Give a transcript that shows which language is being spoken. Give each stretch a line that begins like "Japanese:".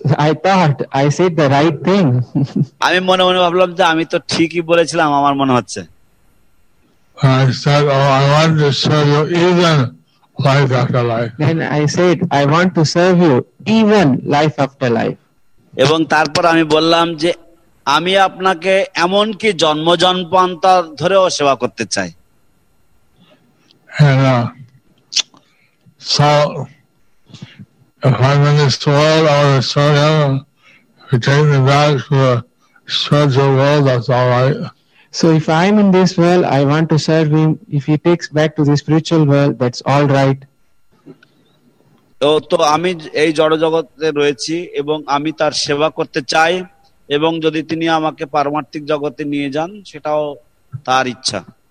English: I thought I said the right thing.
Bangla: আমি মনে মনে ভাবলাম যে আমি তো ঠিকই বলেছিলাম আমার মনে হচ্ছে।
English: I said, oh, I want to serve you even life after life. Then I said, I want to serve you even life after life.
Bangla: এবং তারপর আমি বললাম যে আমি আপনাকে এমন কি জন্ম জন্মান্তর ধরেও সেবা করতে চাই।
English: And, so, if I'm in this world or the soul heaven, if you take me back to the spiritual world, that's all right. So if I'm in this world, I want to serve him. If he takes back to the spiritual world, that's all right.
Bangla: তো আমি এই জড় জগতে রয়েছি এবং আমি তার সেবা করতে চাই এবং যদি তিনি আমাকে পারমার্থিক জগতে নিয়ে যান সেটাও তার ইচ্ছা।